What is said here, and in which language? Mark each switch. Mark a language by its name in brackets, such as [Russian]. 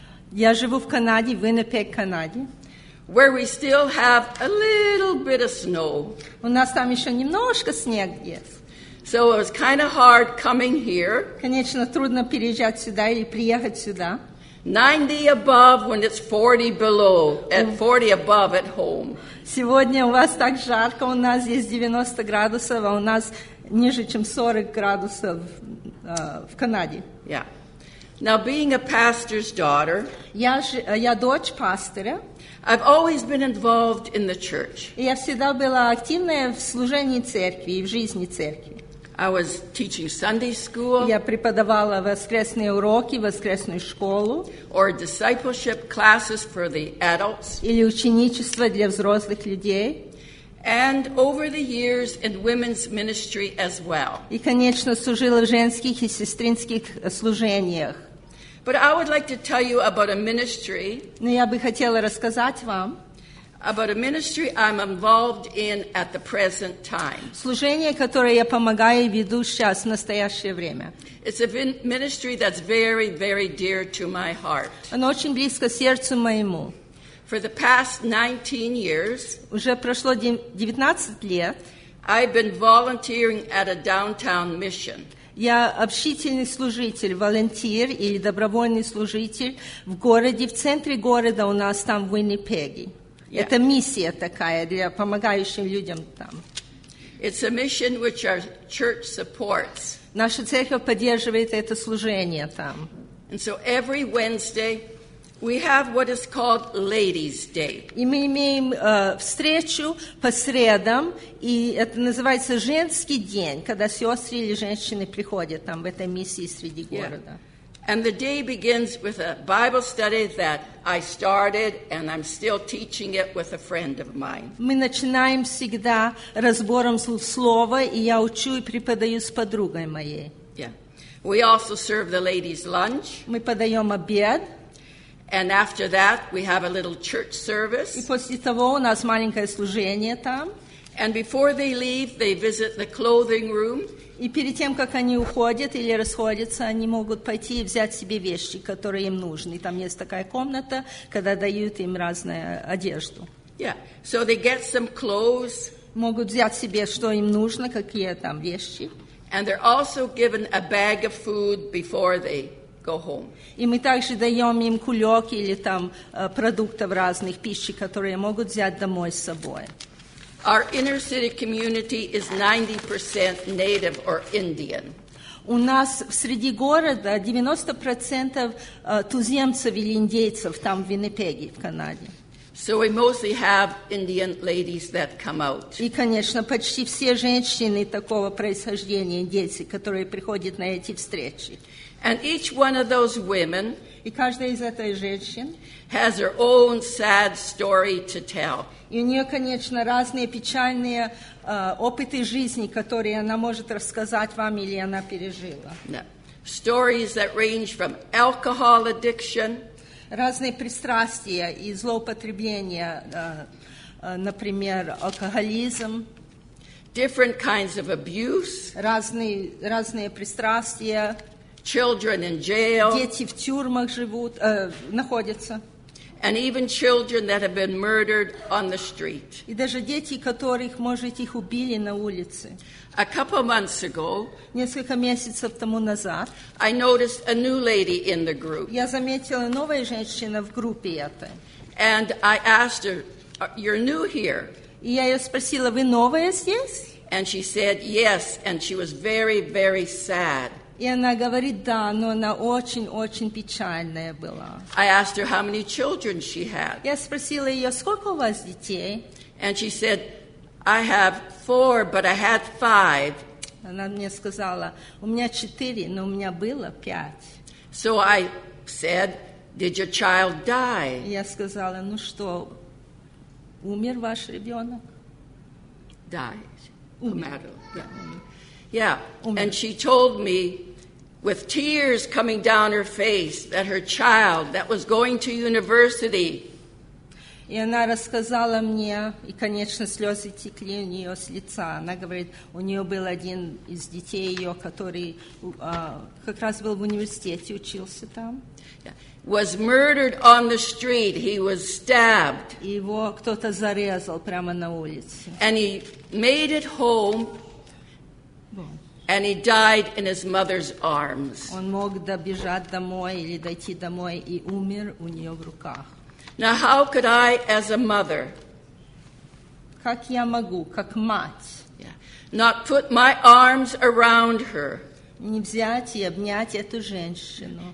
[Russian] Я живу в Канаде, Winnipeg, Канаде. [English] Where we still have a little bit of snow. [Russian] У нас там еще немножко снег есть. [English] So it was kind of hard coming here. [Russian] Конечно, трудно переезжать сюда или приехать сюда. [English] 90 above when it's 40 below, at 40 above at home. [Russian] Сегодня у вас так жарко, у нас здесь 90 градусов, а у нас ниже, чем 40 градусов в Канаде. [English] Yeah. Now, being a pastor's daughter, [Russian] я дочь пастора, [English] I've always been involved in the church. [Russian] Я всегда была активная в служении церкви и в жизни церкви. [English] I was teaching Sunday school. [Russian] Я преподавала воскресные уроки, воскресную школу. [English] Or discipleship classes for the adults. [Russian] Или ученичество для взрослых людей. [English] And over the years in women's ministry as well. [Russian] И, конечно, служила в женских и сестринских служениях. [English] But I would like to tell you about a ministry. [Russian] Но я бы хотела рассказать вам. [English] About a ministry I'm involved in at the present time. [Russian] Служение, которое я помогаю и веду сейчас, в настоящее время. [English] It's a ministry that's very, very dear to my heart. [Russian] Оно очень близко сердцу моему. [English] For the past 19 years, [Russian] уже прошло 19 лет, [English] I've been volunteering at a downtown mission. [Russian] Я общительный служитель, волонтер или добровольный служитель в городе, в центре города у нас там в Виннипеге. [English] Yeah. [Russian] Это миссия такая для помогающих людям там. [English] It's a mission which our church supports. [Russian] Наша церковь поддерживает это служение там. [English] And so every Wednesday we have what is called Ladies' Day. [Russian] И мы имеем встречу по средам, и это называется женский день, когда сестры или женщины приходят там в этой миссии среди города. [English] And the day begins with a Bible study that I started, and I'm still teaching it with a friend of mine. [Russian] Мы начинаем всегда разбором слова, и я учу и преподаю с подругой моей. [English] Yeah. We also serve the ladies' lunch. [Russian] Мы подаем обед. [English] And after that, we have a little church service. [Russian] И после того у нас маленькое служение там. [English] And before they leave, they visit the clothing room. [Russian] И перед тем, как они уходят или расходятся, они могут пойти и взять себе вещи, которые им нужны. Там есть такая комната, когда дают им разную одежду. [English] Yeah. So they get some clothes. [Russian] Могут взять себе, что им нужно, какие там вещи. [English] And they're also given a bag of food before they go home. [Russian] И мы также даем им кулек или там продуктов разных, пищи, которые могут взять домой с собой. [English] Our inner city community is 90% native or Indian. [Russian] У нас в среди города 90% туземцев или индейцев там в Виннипеге, в Канаде. [English] So we mostly have Indian ladies that come out. [Russian] И, конечно, почти все женщины такого происхождения, индейцы, которые приходят на эти встречи. [English] And each one of those women, [Russian] и каждая из этой женщин, [English] has her own sad story to tell. [Russian] И у нее, конечно, разные печальные опыты жизни, которые она может рассказать вам или она пережила. [English] Yeah. Stories that range from alcohol addiction, [Russian] разные пристрастия и злоупотребления например, алкоголизм, [English] different kinds of abuse, [Russian] разные пристрастия, [English] children in jail, [Russian] дети в тюрьмах живут, находятся, [English] and even children that have been murdered on the street. [Russian] И даже дети, которых, может, их убили на улице. [English] A couple months ago, [Russian] несколько месяцев тому назад, [English] I noticed a new lady in the group. [Russian] Я заметила новую женщину в группе этой. [English] And I asked her, "You're new here?" [Russian] И я ее спросила, "Вы новая здесь?" [English] And she said, "Yes," and she was very, very sad. [Russian] И она говорит, да, но она очень-очень печальная была. [English] I asked her how many children she had. [Russian] Я спросила ее, сколько у вас детей? [English] And she said, I have four, but I had five. [Russian] Она мне сказала, у меня четыре, но у меня было пять. [English] So I said, did your child die? [Russian] Я сказала, ну что, умер ваш ребенок? [English] Died. [Russian] Умер. [English] Yeah, and she told me, with tears coming down her face, that her child that was going to university. [Russian] И она рассказала мне, и, конечно, слезы текли у нее с лица. Она говорит, у нее был один из детей ее, который как раз был в университете, учился там. [English] Was murdered on the street. He was stabbed. [Russian] Его кто-то зарезал прямо на улице. [English] And he made it home. And he died in his mother's arms. [Russian] Он мог добежать домой или дойти домой и умер у нее в руках. [English] Now, how could I, as a mother, [Russian] как я могу, как мать, [English] not put my arms around her, [Russian] не взять и обнять эту женщину,